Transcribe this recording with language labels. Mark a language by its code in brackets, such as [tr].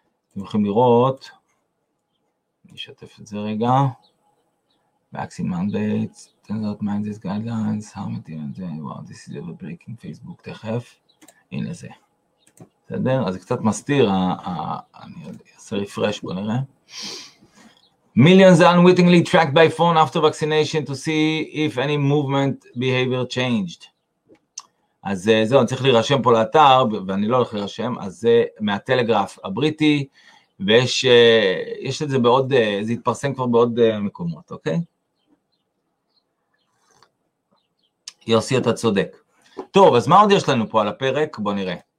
[he] אתם יכולים לראות, אני אשתף את זה רגע. [en] Vaccine mandates, turns out mandates guidelines, how many times, wow, this is ever breaking Facebook, [he] תכף, הנה זה. בסדר? אז זה קצת מסתיר, אני אעשה רפרש, בוא נראה. [en] Millions are unwittingly tracked by phone after vaccination to see if any movement behavior changed. [he] אז זהו, אני צריך להירשם פה לאתר, ואני לא הולך להירשם, אז זה מהטלגרף הבריטי, ויש את זה בעוד, זה התפרסם כבר בעוד מקומות, אוקיי? יוסי, אתה צודק. טוב, אז מה עוד יש לנו פה על הפרק? בוא נראה.